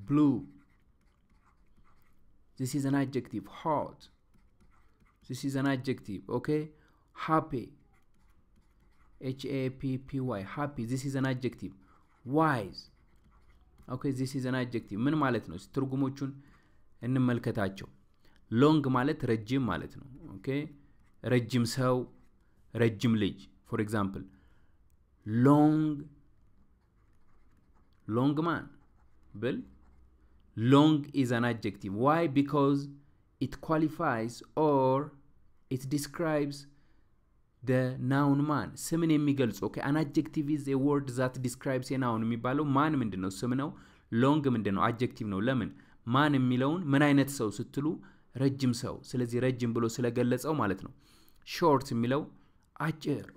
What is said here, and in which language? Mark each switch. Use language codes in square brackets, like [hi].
[en] Blue. This is an adjective. Hot. This is an adjective. Okay. Happy. HAPPY. Happy. This is an adjective. Wise. Okay, this is an adjective. [am] ምን ማለት ነው? ትርጉሞቹን እንመልከታቸው። Long ማለት ረጅም ማለት ነው። Okay? ረጅም ሰው፣ ረጅም ልጅ. [en] For example, long man. Well, long is an adjective. Why? Because it qualifies or it describes the noun man. [am] ስምን የሚገልጽ. [en] Okay, an adjective is a word that describes a noun. [am] የሚባለው ማን ምንድን ነው? ስም ነው። ሎንግ ምንድን ነው? አጀክቲቭ ነው። ለምን? ማን የሚለውን ምን አይነት ሰው ስትሉ ረጅም ሰው፣ ስለዚህ ረጅም ብሎ ስለገለጸው ማለት ነው። ሾርት የሚለው አጭር.